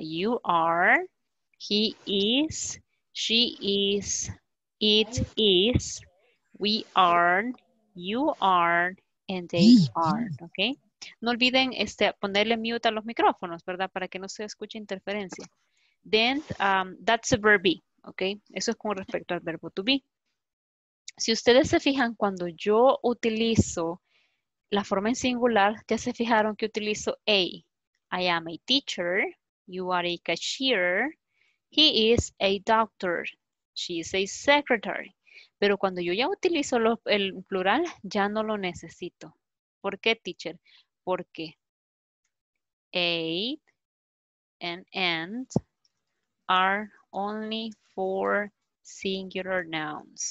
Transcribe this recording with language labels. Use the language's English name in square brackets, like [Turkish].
[English] You are, he is, she is, it is, we are, you are, and they are, ¿ok? [Spanish] No olviden este, ponerle mute a los micrófonos, ¿verdad? Para que no se escuche interferencia. [English] Then, that's a verb be, [Spanish] ¿ok? Eso es con respecto al verbo to be. Si ustedes se fijan, cuando yo utilizo la forma en singular, ya se fijaron que utilizo a. [English] I am a teacher, you are a cashier, he is a doctor, she is a secretary. [Spanish] Pero cuando yo ya utilizo el plural, ya no lo necesito. ¿Por qué, teacher? Porque [English] a and are only for singular nouns.